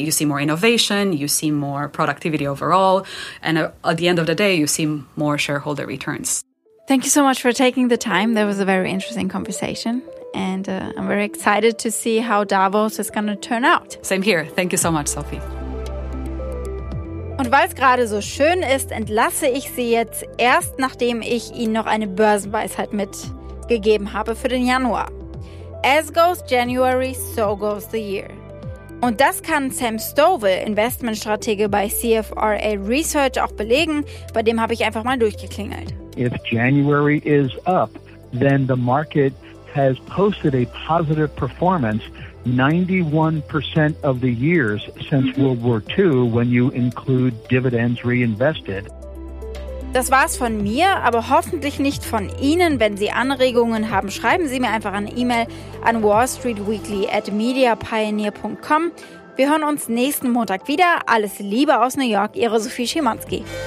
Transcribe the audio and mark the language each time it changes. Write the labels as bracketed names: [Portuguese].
[English] You see more innovation, you see more productivity overall, and at the end of the day, you see more shareholder returns. Thank you so much for taking the time. That was a very interesting conversation, and I'm very excited to see how Davos is going to turn out. Same here. Thank you so much, Sophie. [German] Und weil es gerade so schön ist, entlasse ich Sie jetzt erst, nachdem ich Ihnen noch eine Börsenweisheit mitgegeben habe für den Januar. [English] As goes January, so goes the year. [German] Und das kann Sam Stovall, Investmentstratege bei CFRA Research, auch belegen. Bei dem habe ich einfach mal durchgeklingelt. [English] If January is up, then the market has posted a positive performance 91% of the years since World War II, when you include dividends reinvested. [German] Das war's von mir, aber hoffentlich nicht von Ihnen. Wenn Sie Anregungen haben, schreiben Sie mir einfach eine E-Mail an wallstreetweekly@mediapioneer.com. Wir hören uns nächsten Montag wieder. Alles Liebe aus New York, Ihre Sophie Schimanski.